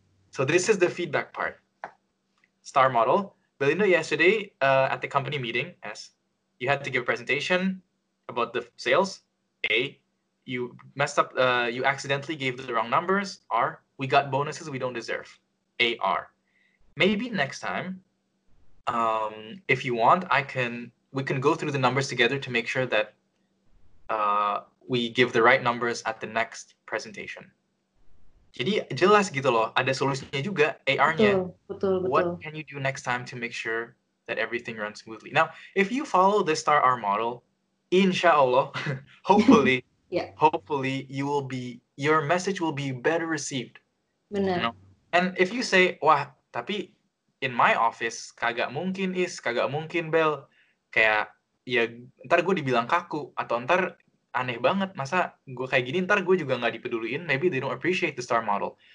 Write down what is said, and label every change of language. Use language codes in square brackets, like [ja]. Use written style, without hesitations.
[en] So this is the feedback part. Star model, Belinda, yesterday at the company meeting, S, you had to give a presentation about the sales, A, you messed up, you accidentally gave the wrong numbers, R, we got bonuses we don't deserve, AR. Maybe next time, if you want, we can go through the numbers together to make sure that we give the right numbers at the next presentation. [id] Jadi jelas gitu loh, ada solusinya juga, AR-nya. Betul. [en] What can you do next time to make sure that everything runs smoothly? Now, if you follow the star R model, inshallah, hopefully, hopefully you will be, your message will be better received. [id] Benar. [en] You know? And if you say, [id] wah, tapi [en] in my office, [id] kagak mungkin is, kagak mungkin bel, kayak, ya ntar gue dibilang kaku, atau ntar aneh banget, masa gue kayak gini, ntar gue juga gak dipeduliin, [en] maybe they don't appreciate the star model.